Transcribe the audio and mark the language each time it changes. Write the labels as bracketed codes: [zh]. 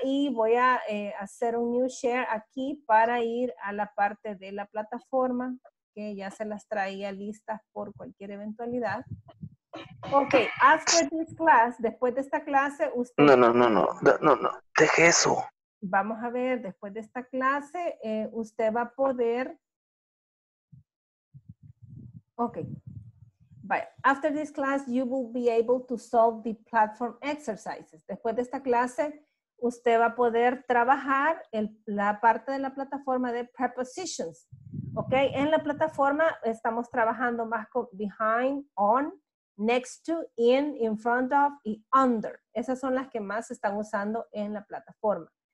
[es] Y voy a hacer un new share aquí para ir a la parte de la plataforma, que ya se las traía listas por cualquier eventualidad. [en] Ok, after this class, [es] después de esta clase, usted... No, deje eso. Vamos a ver, después de esta clase, usted va a poder... [en] Ok, but after this class, you will be able to solve the platform exercises. [es] Después de esta clase, usted va a poder trabajar la parte de la plataforma de prepositions. Ok, en la plataforma estamos trabajando más con behind, on, next to, in front of, y under. Esas son las que más se están usando en la plataforma.